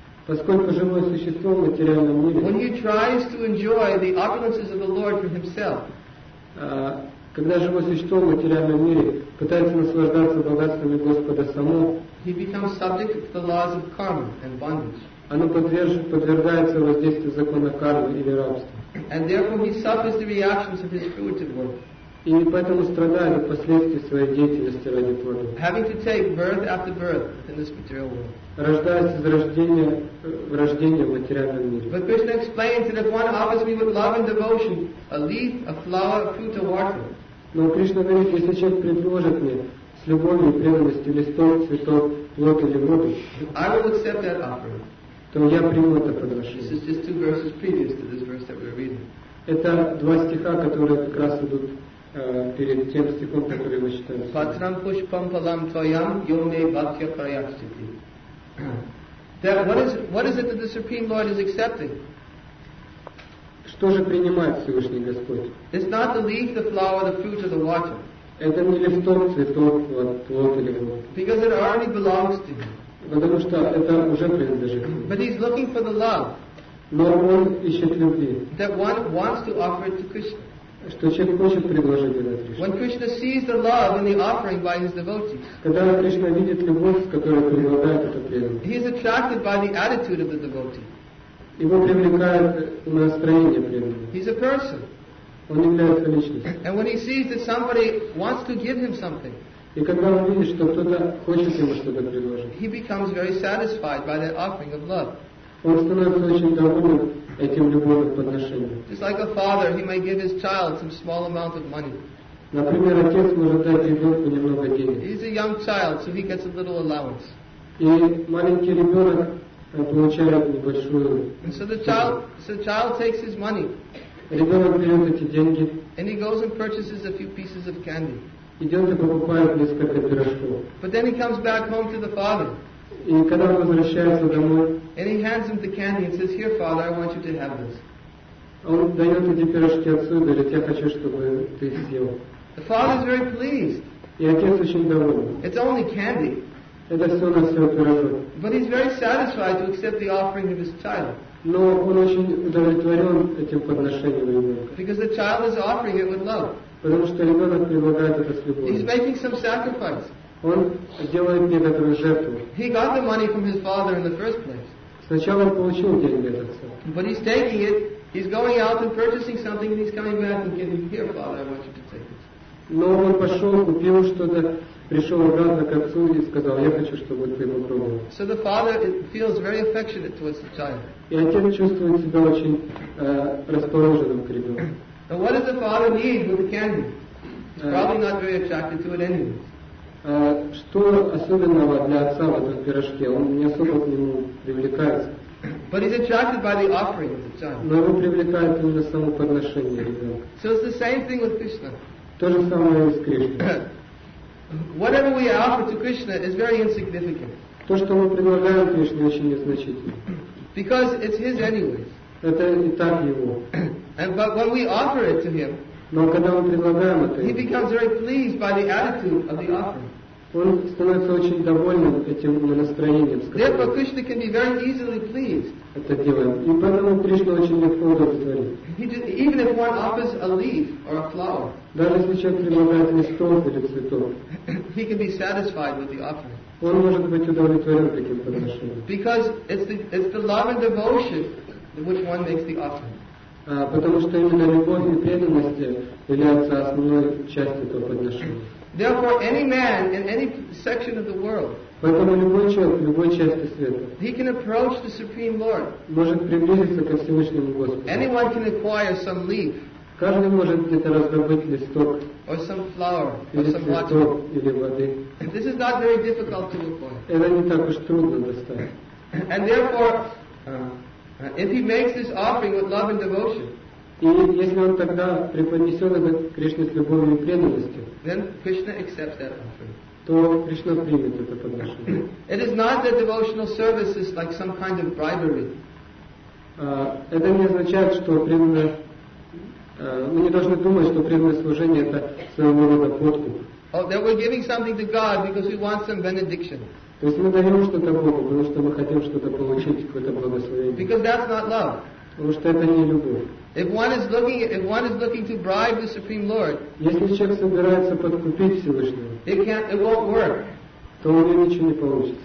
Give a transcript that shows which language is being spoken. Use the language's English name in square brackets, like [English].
[Russian] Поскольку живое существо в материальном мире. [English] When he tries to enjoy the opulences of the Lord for himself. [Russian] Когда живое существо в материальном мире пытается наслаждаться богатствами Господа само. [English] He becomes subject to the laws of karma and bondage. [Russian] Оно подвергается воздействию закона кармы или рабства. [English] And therefore he suffers the reactions of his fruitive work. [Russian] И поэтому страдает от последствий своей деятельности ради плода. [English] Having to take birth after birth within this material world. [Russian] Рождаясь из рождения в рождение в материальном мире. [English] But Krishna explains that if one offers me with love and devotion a leaf, a flower, a fruit, or water. [Russian] Но Кришна говорит, если человек предложит мне с любовью и преданностью листок, цветок, плод или воду, [English] I will accept that offer. [Russian] То я приму это подношение. [English] This is just two verses previous to this verse that we're reading. [Russian] Это два стиха, которые как раз идут перед тем стихом, который мы читаем. [Sanskrit] Патрам пушпам палам твоям, йоме бхактья прайакшити. [English] That what is it that the Supreme Lord is accepting? [Russian] Что же принимает Всевышний Господь? [English] It's not the leaf, the flower, the fruit, or the water. [Russian] Это не листок, цветок, плод или вот. [English] Because it already belongs to him. [Russian] Потому что это уже принадлежит ему. [English] But he's looking for the love. [Russian] Но он ищет любви. [English] That one wants to offer it to Krishna. [Russian] Что человек хочет предложить это Кришне. [English] When Krishna sees the love in the offering by his devotees. [Russian] Когда Кришна видит любовь, с которой предлагает этот преданный. [English] He is attracted by the attitude of the devotee. [Russian] Его привлекает настроение преданного. [English] He's a person. [Russian] Он является личностью. [English] And when he sees that somebody wants to give him something. [Russian] И когда он видит, что кто-то хочет ему что-то предложить. [English] He becomes very satisfied by that offering of love. [Russian] Он становится очень довольным этим любовным подношением. [English] Just like a father, he may give his child some small amount of money. [Russian] Например, отец может дать ребенку немного денег. [English] He's a young child, so he gets a little allowance. [Russian] И маленький ребенок получает небольшую. [English] And so the child takes his money. [Russian] Ребенок берет эти деньги. [English] And he goes and purchases a few pieces of candy. [Russian] Идет и покупает несколько пирожков. [English] But then he comes back home to the father. [Russian] И когда он возвращается домой, [English] and he hands him the candy and says, "Here, Father, I want you to have this." [Russian] Он дает эти пирожки отцу, говорит, я хочу, чтобы ты съел. [English] The father is very pleased. [Russian] И отец очень доволен. [English] It's only candy. [Russian] Это все на все пирожок. [English] But he's very satisfied to accept the offering of his child. [Russian] Но он очень удовлетворен этим подношением ребенка. [English] Because the child is offering it with love. [Russian] Потому что ребенок предлагает это с любовью. [English] He's making some sacrifice. [Russian] Он делает некоторую жертву. [English] He got the money from his father in the first place. [Russian] Сначала он получил деньги от отца. [English] But he's taking it, he's going out and purchasing something and he's coming back and giving, "Here, Father, I want you to take it." [Russian] Но он пошел, купил что-то, пришел обратно к отцу и сказал, я хочу, чтобы ты его пробовал. [English] So the father feels very affectionate towards the child. [Russian] И отец чувствует себя очень расположенным к ребенку. [English] Now what does the father need with the candy? He's probably not very attracted to it anyway. [Russian] Что особенного для отца в этом пирожке? Он не особо к нему привлекается. [English] But he's attracted by the offering of the child. [Russian] Но его привлекает именно само подношение ребенка. [English] So it's the same thing with Krishna. [Russian] То же самое и с Кришной. [English] Whatever we offer to Krishna is very insignificant. [Russian] То, что мы предлагаем Кришне, очень незначительно. [English] Because it's his anyways. [Russian] Это и так его. [English] But when we offer it to him, [Russian] но когда мы предлагаем это, [English] he becomes very pleased by the attitude of the offering. [Russian] Он становится очень довольным этим настроением. [English] Therefore, Krishna can be very easily pleased. [Russian] Это делаем. И поэтому Кришна очень легко удовлетворит. [English] Even if one offers a leaf or a flower, [Russian] даже если человек предлагает листок или цветок, [English] he can be satisfied with the offering. [Russian] Он может быть удовлетворен таким подношением. [English] Because it's the love and devotion in which one makes the offering. [Russian] Потому что именно любовь и преданность являются основной частью этого подношения. [English] Therefore, any man in any section of the world, [Russian] поэтому любой человек в любой части света, [English] he can approach the Supreme Lord. [Russian] Может приблизиться ко Всевышнему Господу. [English] Anyone can acquire some leaf. [Russian] Каждый может где-то раздобыть листок. [English] Or some flower. [Russian] Или [English] or some [Russian] цветок, [English] water. [Russian] Или воды. [English] This is not very difficult to acquire. [Russian] Это не так уж трудно достать. [English] And therefore, if he makes this offering with love and devotion, [Russian] и если он тогда преподнесет это Кришне с любовью и преданностью, [English] then Krishna accepts that offering. [Russian] То Кришна примет это подношение. [English] It is not that devotional service is like some kind of bribery. [Russian] Это не означает, что преданное, мы не должны думать, что преданное служение это своего рода подкуп. [English] Oh, that we're giving something to God because we want some benediction. [Russian] То есть мы даем что-то Богу, потому что мы хотим что-то получить, какое-то благословение. [English] Because that's not love. [Russian] Потому что это не любовь. [English] If one is looking to bribe the Supreme Lord, [Russian] если человек собирается подкупить Всевышнего, [English] it won't work. [Russian] То у него ничего не получится.